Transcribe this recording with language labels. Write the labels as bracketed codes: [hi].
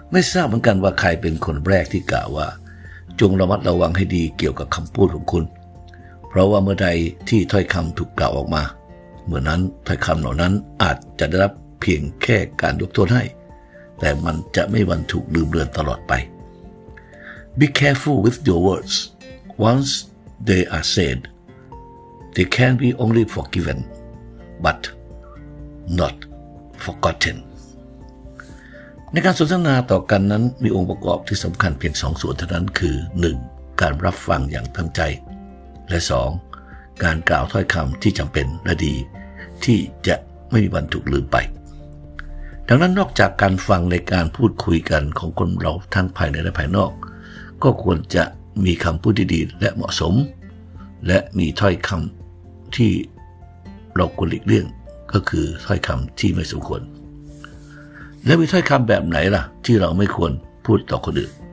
[th] ไม่ทราบเหมือนกันว่าใครเป็นคนแรกที่กล่าวว่าจงระมัดระวังให้ดีเกี่ยวกับคำพูดของคุณเพราะว่าเมื่อใดที่ถ้อยคำถูกกล่าวออกมาเมื่อนั้นถ้อยคำเหล่านั้นอาจจะได้รับเพียงแค่การยกโทษให้แต่มันจะไม่วันถูกลืมเลือนตลอดไป [en] Be careful with your words. Once they are said, they can be only forgiven, but not forgotten. [th] ในการสนทนาต่อกันนั้นมีองค์ประกอบที่สำคัญเพียง2ส่วนเท่านั้นคือ 1. การรับฟังอย่างตั้งใจและ 2. การกล่าวถ้อยคำที่จำเป็นและดีที่จะไม่มีวันถูกลืมไปดังนั้นนอกจากการฟังในการพูดคุยกันของคนเราทั้งภายในและภายนอกก็ควรจะมีคำพูดที่ดีและเหมาะสมและมีถ้อยคำที่เราควรหลีกเลี่ยงก็คือถ้อยคำที่ไม่สมควรแล้วมีถ้อยคำแบบไหนล่ะที่เราไม่ควรพูดต่อคนอื่น